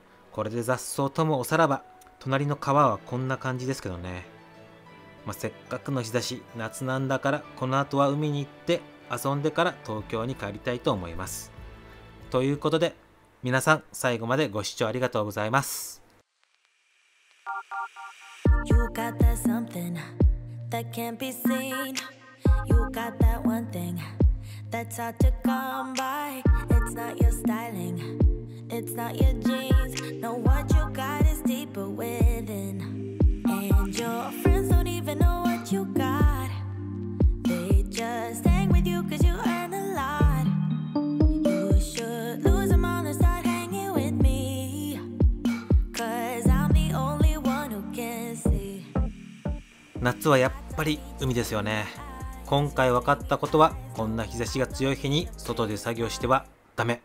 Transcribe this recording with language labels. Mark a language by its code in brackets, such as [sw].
[ja] これで雑草ともおさらば。隣の川はこんな感じですけどね、まあ、せっかくの日差し、夏なんだからこの後は海に行って遊んでから東京に帰りたいと思います。ということで皆さん最後までご視聴ありがとうございます。 [en] You got that something that can't be seen. You got that one thing that's hard to come by. It's not your styling, it's not your jeans. No, what you got is deeper within. And your friends don't even know what you got. They just hang with you 'cause you earn a lot. You should lose them all and start hanging with me. 'Cause I'm the only one who can see. [ja] 夏はやっぱり海ですよね。今回分かったことは、こんな日差しが強い日に外で作業してはダメ。